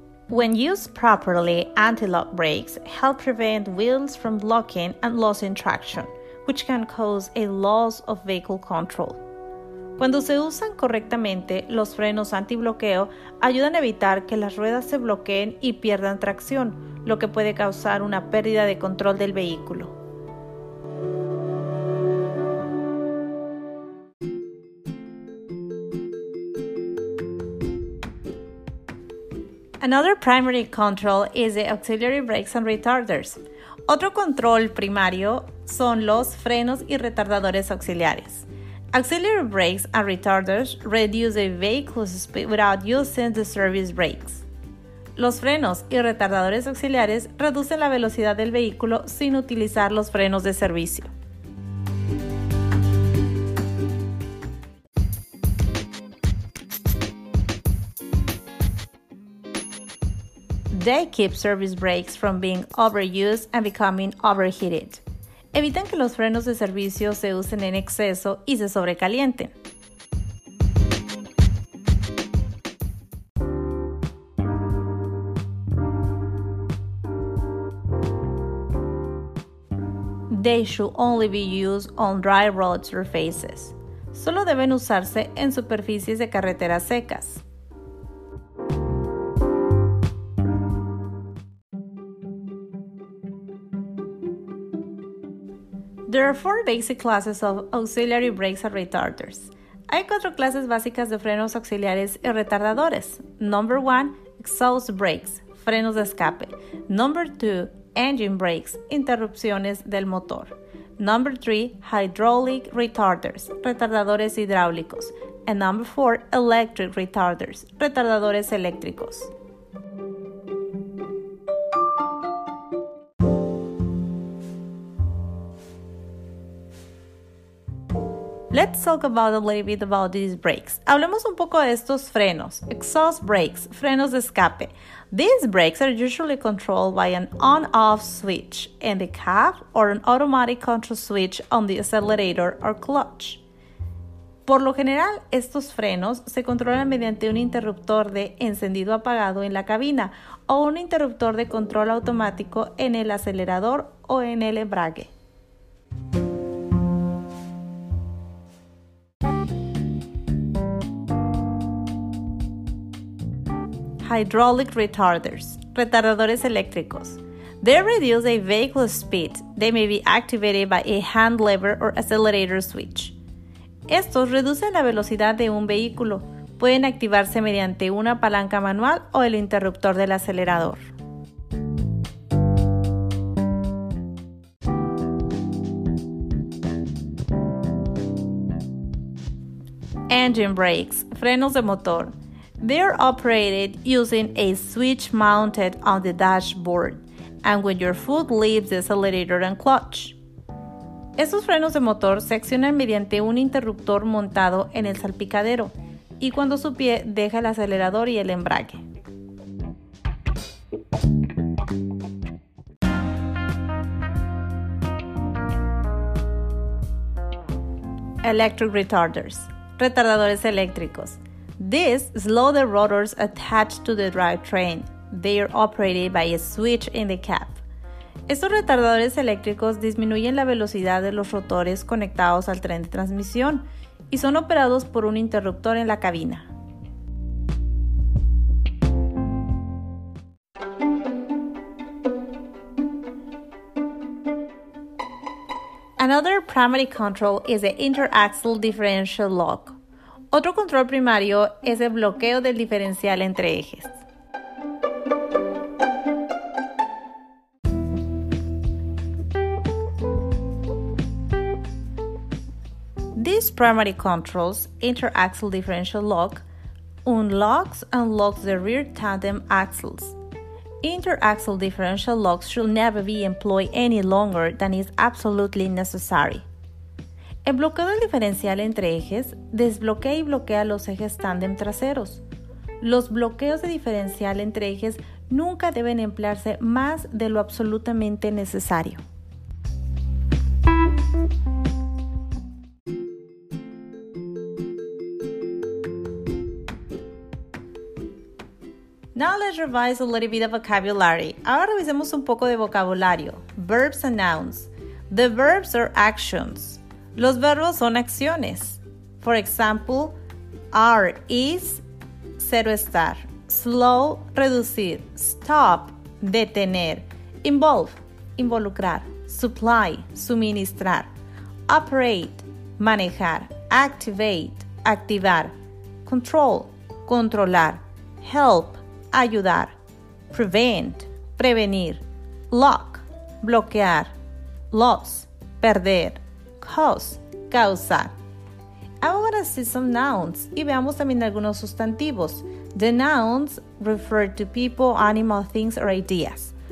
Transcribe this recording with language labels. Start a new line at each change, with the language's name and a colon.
English: When used properly, anti-lock brakes help prevent wheels from blocking and losing traction, which can cause a loss of vehicle control.
Spanish: Cuando se usan correctamente, los frenos antibloqueo ayudan a evitar que las ruedas se bloqueen y pierdan tracción, lo que puede causar una pérdida de control del vehículo.
English: Another primary control is the auxiliary brakes and retarders.
Spanish: Otro control primario son los frenos y retardadores auxiliares.
English: Auxiliary brakes and retarders reduce a vehicle's speed without using the service brakes.
Spanish: Los frenos y retardadores auxiliares reducen la velocidad del vehículo sin utilizar los frenos de servicio.
English: They keep service brakes from being overused and becoming overheated.
Spanish: Evitan que los frenos de servicio se usen en exceso y se sobrecalienten.
English: They should only be used on dry road surfaces.
Spanish: Solo deben usarse en superficies de carreteras secas.
English: There are four basic classes of auxiliary brakes and retarders.
Spanish: Hay cuatro clases básicas de frenos auxiliares y retardadores.
English: Number one, exhaust brakes,
Spanish: frenos de escape.
English: Number two, engine brakes,
Spanish: interrupciones del motor.
English: Number three, hydraulic retarders,
Spanish: retardadores hidráulicos.
English: And number four, electric retarders,
Spanish: retardadores eléctricos.
English: Let's talk about a little bit about these brakes.
Spanish: Hablemos un poco de estos frenos.
English: Exhaust brakes,
Spanish: frenos de escape.
English: These brakes are usually controlled by an on-off switch in the cab or an automatic control switch on the accelerator or clutch.
Spanish: Por lo general, estos frenos se controlan mediante un interruptor de encendido apagado en la cabina o un interruptor de control automático en el acelerador o en el embrague.
English: Hydraulic retarders,
Spanish: retardadores eléctricos.
English: They reduce a vehicle's speed. They may be activated by a hand lever or accelerator switch.
Spanish: Estos reducen la velocidad de un vehículo. Pueden activarse mediante una palanca manual o el interruptor del acelerador.
English: Engine brakes,
Spanish: frenos de motor.
English: They are operated using a switch mounted on the dashboard and when your foot leaves the accelerator and clutch.
Spanish: Estos frenos de motor se accionan mediante un interruptor montado en el salpicadero y cuando su pie deja el acelerador y el embrague.
English: electric retarders,
Spanish: retardadores eléctricos.
English: These slow the rotors attached to the drivetrain. They are operated by a switch in the cab.
Spanish: Estos retardadores eléctricos disminuyen la velocidad de los rotores conectados al tren de transmisión y son operados por un interruptor en la cabina.
English: Another primary control is the interaxle differential lock.
Spanish: Otro control primario es el bloqueo del diferencial entre ejes.
English: These primary controls, interaxle differential lock, unlocks and locks the rear tandem axles. Interaxle differential locks should never be employed any longer than is absolutely necessary.
Spanish: El bloqueo del diferencial entre ejes desbloquea y bloquea los ejes tándem traseros. Los bloqueos de diferencial entre ejes nunca deben emplearse más de lo absolutamente necesario.
English: Now let's revise a little bit of vocabulary.
Spanish: Ahora revisemos un poco de vocabulario.
English: Verbs and nouns. The verbs are actions.
Spanish: Los verbos son acciones.
English: For example, are, is, cero estar, slow, reducir, stop, detener, involve, involucrar, supply, suministrar, operate, manejar, activate, activar, control, controlar, help, ayudar, prevent, prevenir, lock, bloquear, loss, perder, cause, causar.
Spanish: Ahora vamos a ver
English: some nouns
Spanish: y veamos también algunos sustantivos.
English: The nouns refer to people, animals, things or ideas.